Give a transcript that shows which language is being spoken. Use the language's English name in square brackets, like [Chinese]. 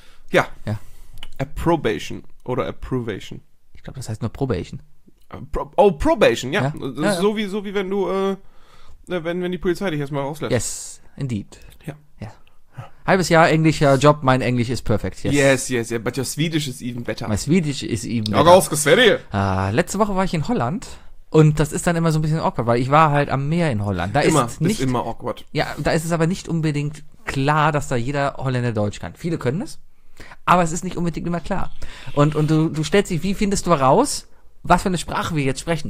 [German] Ja. Ja. Approbation oder Approvation. Ich glaube, das heißt nur Probation. Probation, ja. Ja. So wie wenn du, wenn die Polizei dich erstmal rauslässt. [English] Yes, indeed. [German] Ja. Ja. Halbes Jahr englischer Job, mein Englisch ist perfekt. [English] Yes, yeah, but your Swedish is even better. My Swedish is even better. [German] Ja, auch aus Sverige. Letzte Woche war ich in Holland und das ist dann immer so ein bisschen awkward, weil ich war halt am Meer in Holland. Ist immer awkward. Ja, da ist es aber nicht unbedingt klar, dass da jeder Holländer Deutsch kann. Viele können es. Aber es ist nicht unbedingt immer klar. Und du stellst dich, wie findest du raus, was für eine Sprache wir jetzt sprechen?